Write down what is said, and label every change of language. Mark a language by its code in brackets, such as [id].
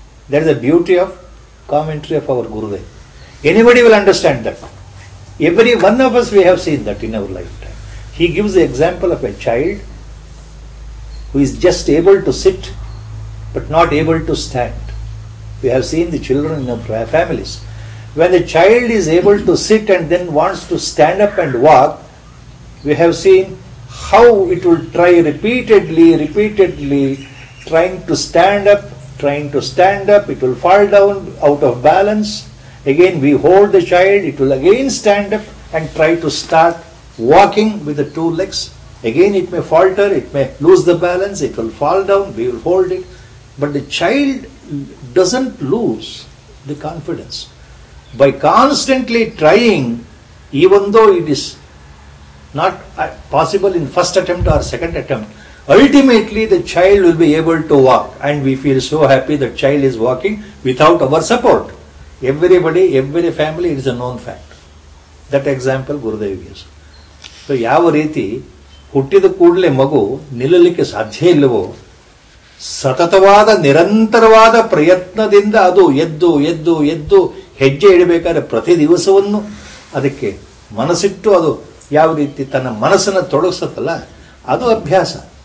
[en] That is the beauty of commentary of our Gurudev. Anybody will understand that, every one of us we have seen that in our life. He gives the example of a child who is just able to sit but not able to stand. We have seen the children in our families. When the child is able to sit and then wants to stand up and walk, we have seen how it will try repeatedly, trying to stand up, it will fall down out of balance. Again we hold the child, it will again stand up and try to start walking with the two legs. Again it may falter, it may lose the balance, it will fall down, we will hold it. But the child doesn't lose the confidence. By constantly trying, even though it is not possible in first attempt or second attempt, ultimately the child will be able to walk. And we feel so happy that child is walking without our support. Everybody, every family, it is a known fact. That example Gurudev gives. [kn] So, yava reethi, huttida koodle magu, nilalike sadhye illavo, ಸತತವಾದ ನಿರಂತರವಾದ ಪ್ರಯತ್ನದಿಂದ ಅದು ಎದ್ದು ಎದ್ದು ಎದ್ದು ಹೆಜ್ಜೆ ಇಡಬೇಕಾದ್ರೆ ಪ್ರತಿ ದಿವಸವನ್ನು ಅದಕ್ಕೆ ಮನಸ್ಸಿಟ್ಟು ಅದು ಯಾವ ರೀತಿ ತನ್ನ ಮನಸ್ಸನ್ನು ತೊಡಗಿಸುತ್ತಲ್ಲ ಅದು ಅಭ್ಯಾಸ.